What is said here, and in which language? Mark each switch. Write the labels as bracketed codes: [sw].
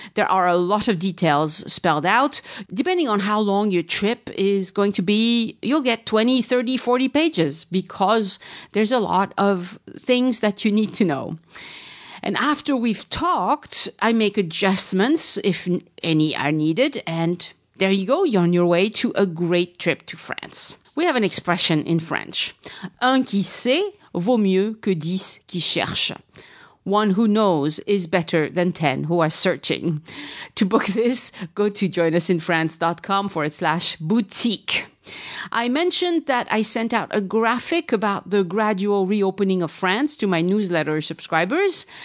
[en] There are a lot of details spelled out. Depending on how long your trip is going to be, you'll get 20, 30, 40 pages because there's a lot of things that you need to know. And after we've talked, I make adjustments if any are needed. And there you go. You're on your way to a great trip to France. We have an expression in French. [fr] Un qui sait vaut mieux que 10 qui cherchent. [en] One who knows is better than 10 who are searching. To book this, go to joinusinfrance.com/boutique. I mentioned that I sent out a graphic about the gradual reopening of France to my newsletter subscribers.